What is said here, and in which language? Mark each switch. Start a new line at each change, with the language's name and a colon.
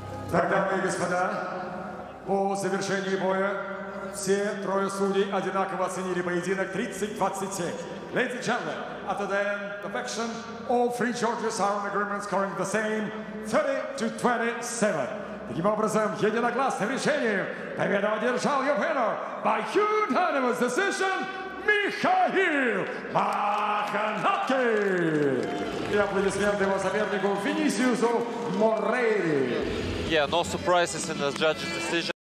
Russian: Так, дамы и господа, по завершении боя все трое судей одинаково оценили поединок 30-27.
English: Ladies and gentlemen, after the end of the action, all three judges are on agreement scoring the same 30-27.
Russian: Таким образом, единогласным решением победу одержал your winner by unanimous decision, Михаил Makhnatkin! И аплодисменты его сопернику Винисиусу Морейри!
English: Yeah, no surprises in the judges' decision.